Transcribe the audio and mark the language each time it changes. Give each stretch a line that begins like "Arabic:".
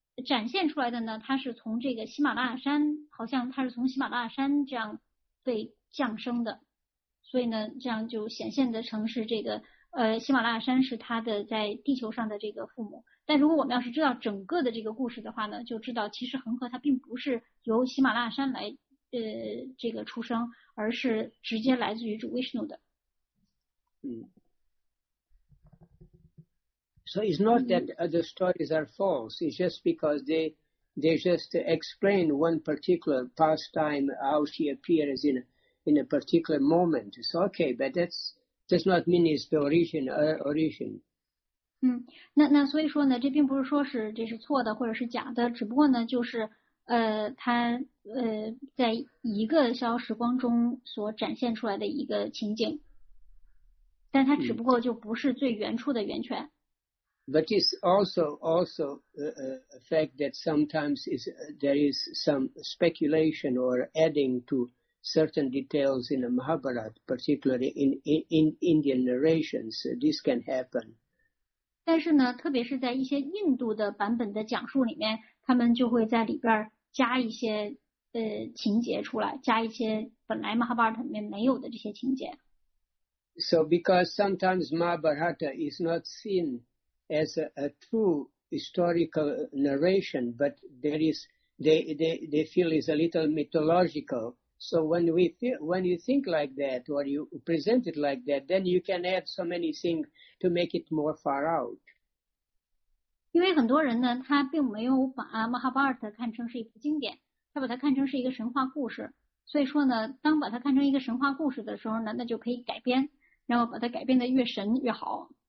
Chinese: 展现出来的呢，它是从这个喜马拉雅山，好像它是从喜马拉雅山这样被降生的，所以呢，这样就显现的成是这个喜马拉雅山是它的在地球上的这个父母。但如果我们要是知道整个的这个故事的话呢，就知道其实恒河它并不是由喜马拉雅山来这个出生，而是直接来自于主 Vishnu 的。
English: So it's not that the stories are false. It's just because they just explain one particular pastime, how she appears in a particular moment. It's okay, but that's does not mean it's the origin. Origin.
Chinese: 那所以说呢，这并不是说是这是错的或者是假的，只不过呢，就是他在一个小时光中所展现出来的一个情景，但它只不过就不是最原初的源泉。
English: But it's also a fact that sometimes is there is some speculation or adding to certain details in the Mahabharata, particularly in Indian narrations. This can happen.
Chinese: 但是呢，特别是在一些印度的版本的讲述里面，他们就会在里边加一些情节出来，加一些本来 Mahabharata 里面没有的这些情节。
English: So because sometimes Mahabharata is not seen. As a true historical narration, but there is they feel is a little mythological. So when you think like that, or you present it like that, then you can add so many things to make it more far out.
Chinese: 因为很多人呢，他并没有把《马哈巴尔特》看成是一部经典，他把它看成是一个神话故事。所以说呢，当把它看成一个神话故事的时候呢，那就可以改编，然后把它改编的越神越好。